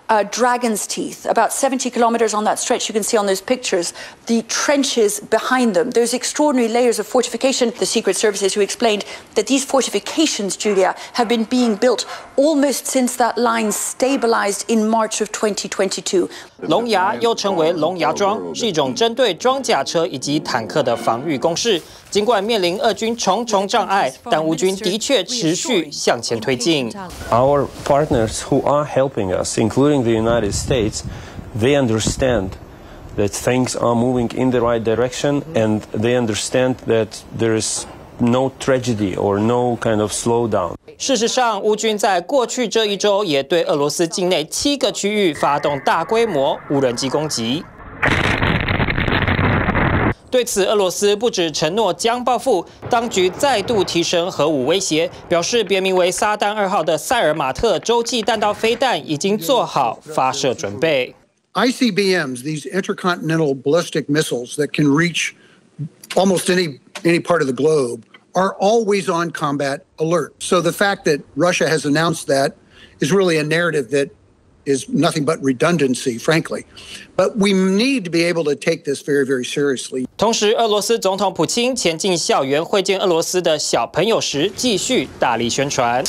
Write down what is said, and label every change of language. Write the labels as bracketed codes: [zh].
[en] Dragon's teeth, about 70 kilometers on that stretch, you can see on those pictures, the trenches behind them, those extraordinary layers of fortification. The secret services who explained that these fortifications, Julia, have been being built almost since that line stabilized in March of 2022. [zh] 龙牙又称为龙牙装，是一种针对装甲车以及坦克的防御工事。尽管面临俄军重重障碍，但乌军的确持续向前推进。 [en] Our partners who are helping us, including the United States, they understand that things are moving in the right direction, and they understand that there is no tragedy or no kind of slowdown. [zh] 事实上，乌军在过去这一周也对俄罗斯境内7个区域发动大规模无人机攻击。对此，俄罗斯不止承诺将报复，当局再度提升核武威胁，表示别名为“撒旦二号”的塞尔马特洲际弹道飞弹已经做好发射准备。 [en] ICBMs, these intercontinental ballistic missiles that can reach almost any part of the globe. Are always on combat alert. So the fact that Russia has announced that is really a narrative that is nothing but redundancy, frankly. But we need to be able to take this very, very seriously. [zh] 同时，俄罗斯总统普京前进校园会见俄罗斯的小朋友时，继续大力宣传。